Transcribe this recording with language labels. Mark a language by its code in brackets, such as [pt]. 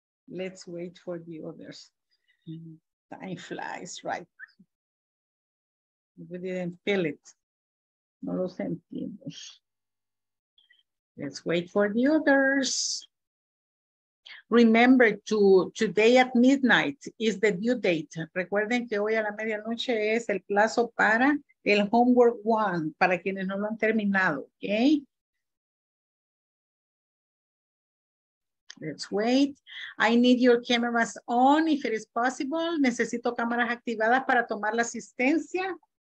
[en] Let's wait for the others. Time flies, right? We didn't feel it. [es] No lo sentimos. [en] Let's wait for the others. Remember to today at midnight is the due date. [es] Recuerden que hoy a la medianoche es el plazo para el homework one, para quienes no lo han terminado, okay? [en] Let's wait. I need your cameras on if it is possible. [es] Necesito cámaras activadas para tomar la asistencia.